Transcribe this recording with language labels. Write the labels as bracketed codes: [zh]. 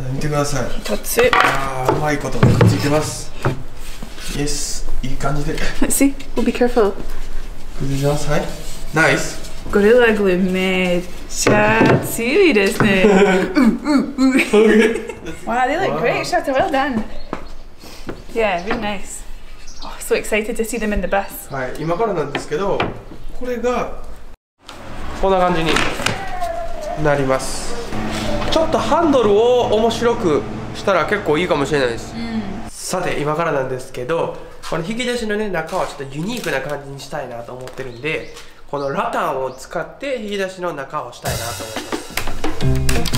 [ja] 見てください。一つ、あー、うまいことくっついてます。 Yes、 いい感じで。 [en] Let's see, we'll be careful。 [ja] 見てください、ナイス。ゴリラグルめっちゃ強いですね。 [en] OK。 Wow, they look great, Shota, well done. Yeah, really niceSo excited to see them in the bus. [ja] はい、今からなんですけど、これがこんな感じになります。ちょっとハンドルを面白くしたら結構いいかもしれないです、うん、さて今からなんですけど、この引き出しの、ね、中はちょっとユニークな感じにしたいなと思ってるんで、このラタンを使って引き出しの中をしたいなと思います。